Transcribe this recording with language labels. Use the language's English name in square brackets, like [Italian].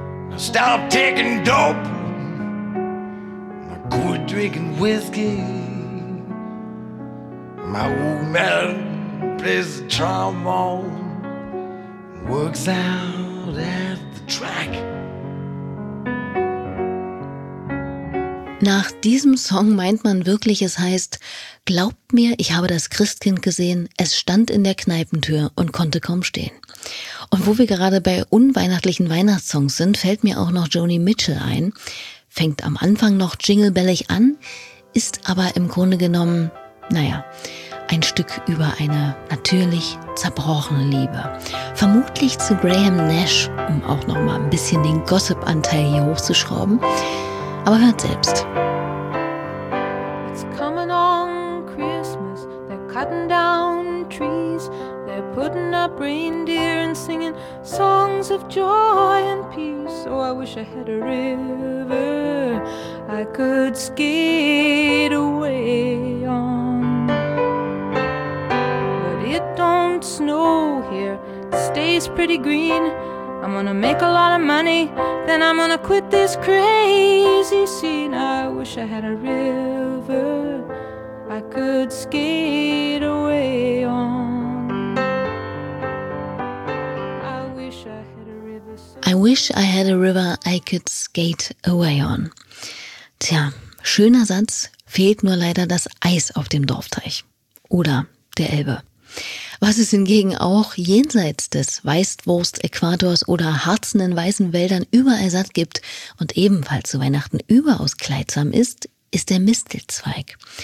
[English] Now stop taking dope, quit drinking whiskey. My old man plays the trombone, works out at the track. [German] Nach diesem Song meint man wirklich, es heißt: glaubt mir, ich habe das Christkind gesehen, es stand in der Kneipentür und konnte kaum stehen. Und wo wir gerade bei unweihnachtlichen Weihnachtssongs sind, fällt mir auch noch Joni Mitchell ein. Fängt am Anfang noch jinglebellig an, ist aber im Grunde genommen, ein Stück über eine natürlich zerbrochene Liebe. Vermutlich zu Graham Nash, um auch noch mal ein bisschen den Gossip-Anteil hier hochzuschrauben. Aber hört selbst. [English] It's coming on Christmas, they're cutting down trees, they're putting up reindeer and singing songs of joy and peace. Oh, I wish I had a river I could skate away on. But it don't snow here, it stays pretty green. I'm gonna make a lot of money, then I'm gonna quit this crazy scene. I wish I had a river I could skate away on. I wish I had a river. I wish I had a river I could skate away on. [German] Tja, schöner Satz, fehlt nur leider das Eis auf dem Dorfteich. Oder der Elbe. Was es hingegen auch jenseits des Weißwurst-Äquators oder harzenden weißen Wäldern überall satt gibt und ebenfalls zu Weihnachten überaus kleidsam ist, ist der Mistelzweig.